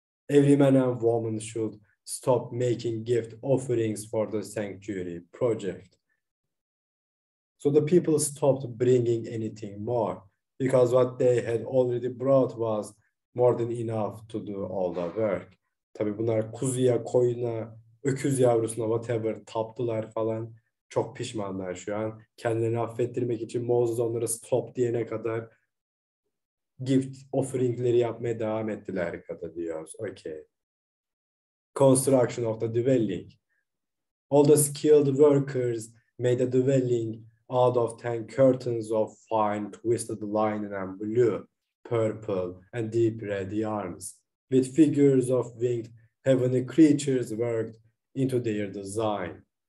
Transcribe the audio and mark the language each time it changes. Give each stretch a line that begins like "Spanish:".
English: Every man and woman should stop making gift offerings for the sanctuary project. So the people stopped bringing anything more, because what they had already brought was more than enough to do all the work.
Turkish: Tabii bunlar kuzuya, koyuna, öküz yavrusuna, whatever, taptılar falan. Çok pişmanlar şu an. Kendilerini affettirmek için Moses onlara stop diyene kadar gift offeringleri yapmaya devam ettiler kadar diyoruz.
English: Okay. Construction of the dwelling. All the skilled workers made a dwelling out of 10 curtains of fine twisted linen and blue, purple, and deep red yarns, with figures of winged heavenly creatures worked into their design.